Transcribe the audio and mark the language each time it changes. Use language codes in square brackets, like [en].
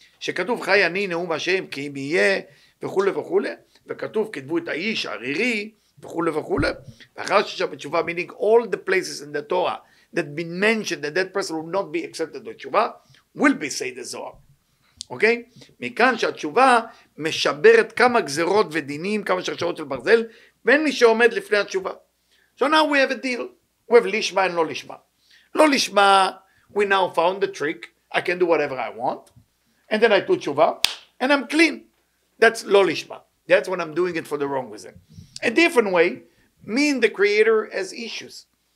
[he] שכתוב חי אני נאום השם כי אם יהיה וכו' וכו' וכתוב כתבו את האיש הרירי וכו' וכו' ואחר ששם בתשובה, [en] meaning all the places in the Torah that been mentioned that that person will not be accepted to תשובה, will be said the Zohar. אוקיי? [he] מכאן שהתשובה משברת כמה גזרות ודינים, כמה שרשרות של ברזל, ואין מי שעומד לפני התשובה. [en] So now we have a deal. We have lishma and lo lishma. Lo lishma, we now found the trick. I can do whatever I want. And then I do tshuva, and I'm clean. That's lo lishma. That's when I'm doing it for the wrong reason. A different way, me and the creator has issues.